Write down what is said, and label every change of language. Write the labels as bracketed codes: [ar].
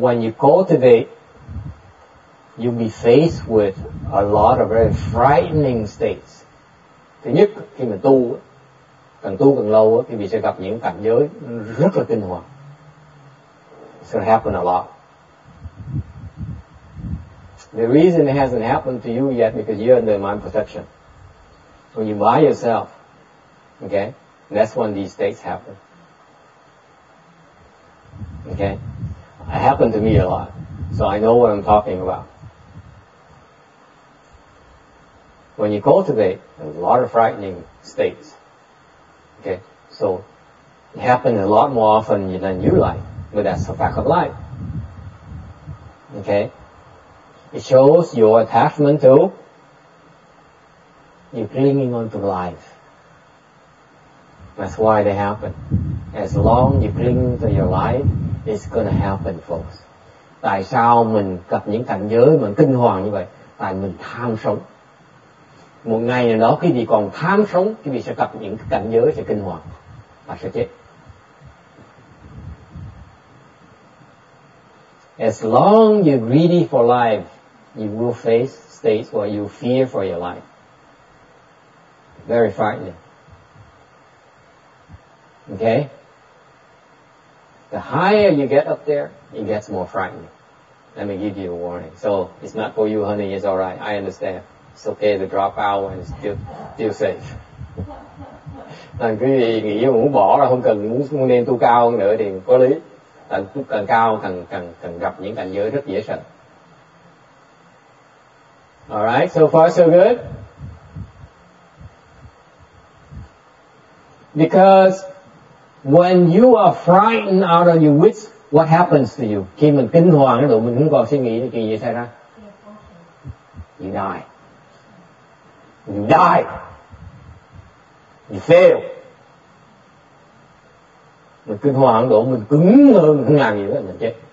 [en] When you cultivate, you'll be faced with a lot of very frightening states. [vi] Thứ nhất, khi mà tu càng lâu, thì mình sẽ gặp những cảnh giới rất là kinh hoàng. [en] It's gonna happen a lot. The reason it hasn't happened to you yet because you're under mind protection. So you by yourself. Okay, that's when these states happen. Okay, it happened to me a lot, so I know what I'm talking about. When you cultivate, there's a lot of frightening states. Okay, so it happens a lot more often than you like, but that's a fact of life. Okay, it shows your attachment to, you're clinging on to life. That's why they happen. As long you cling to your life, it's gonna happen, folks. [vi] Tại sao mình gặp những cảnh giới mà kinh hoàng như vậy? Tại mình tham sống. Một ngày nào đó khi vị còn tham sống, thì vị sẽ gặp những cảnh giới sẽ kinh hoàng và sẽ chết. [en] As long you're greedy for life, you will face states where you fear for your life. Very frightening. Okay? The higher you get up there, it gets more frightening. Let me give you a warning. So, it's not for you, honey. It's alright. I understand. It's okay to drop out and still safe. [vi] Thằng quý vị nghĩ mà muốn bỏ ra, không cần muốn lên tu cao hơn nữa thì có lý. Thằng tu càng cao, càng gặp những cảnh giới rất dễ sợ. [en] Alright, so far so good? Because when you are frightened out of your wits, what happens to you? [vi] Khi mình kinh hoàng đó, mình không còn suy nghĩ thì chuyện gì xảy ra? [en] You die. You die. You fail. [vi] Mình kinh hoàng đó, mình cứng hơn, mình không làm gì nữa, mình chết.